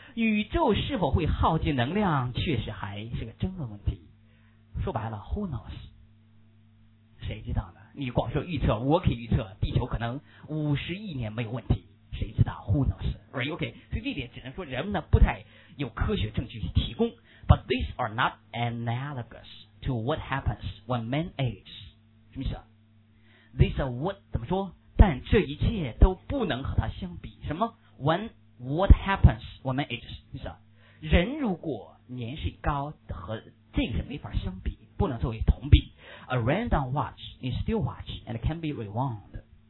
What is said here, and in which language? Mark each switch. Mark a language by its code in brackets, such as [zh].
[zh] 宇宙是否会耗尽能量，确实还是个争论问题。说白了 ， [en] Who knows？ [zh] 谁知道呢？你光说预测，我可以预测，地球可能50亿年没有问题，谁知道 ？ [en] Who knows？ Right？ [zh] OK， 所以这点只能说人们呢不太有科学证据提供。 [en] But these are not analogous to what happens when man ages. [zh] 什么意思啊？ [en] These are what [zh] 怎么说？但这一切都不能和它相比。什么？ [en] When what happens when man ages? [zh] 什么意思啊？人如果年事已高，和这个是没法相比，不能作为同比。 [en] A random watch is still watch and can be rewound.